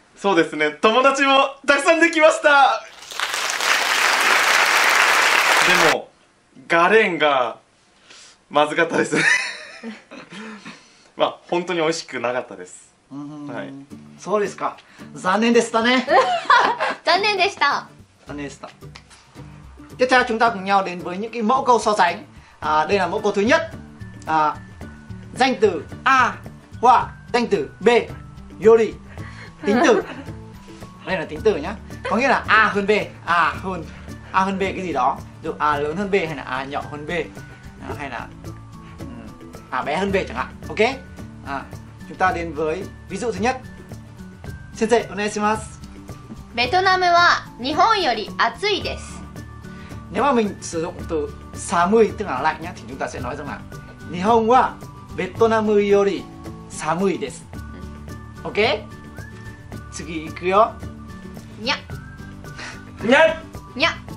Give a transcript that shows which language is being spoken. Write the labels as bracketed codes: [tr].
[ja] そうですね、友達もたくさんできました。でもガレンがまずかったですね。まあ本当に美味しくなかったです。はい、そうですか、残念でしたね。残念でした。 [vi] Tiếp theo chúng ta cùng nhau đến với những cái mẫu câu so sánh. Đây là mẫu câu thứ nhất. Danh từ A hoa danh từ B yori tính từ. Đây là tính từ nhá. Có nghĩa là A hơn B. A hơn B cái gì đó. Dù A lớn hơn B hay là A nhỏ hơn B. Hay là A bé hơn B chẳng hạn. OK. Chúng ta đến với ví dụ thứ nhất. [ja] Sensei, onegaishimasu. ベトナムは日本より暑いです。 [vi] Nếu mà mình sử dụng từ 寒い tức là lạnh nhé, thì chúng ta sẽ nói rằng là [ja] 日本はベトナムより寒いです。 OK? 次行くよ。にゃ。にゃ。にゃ。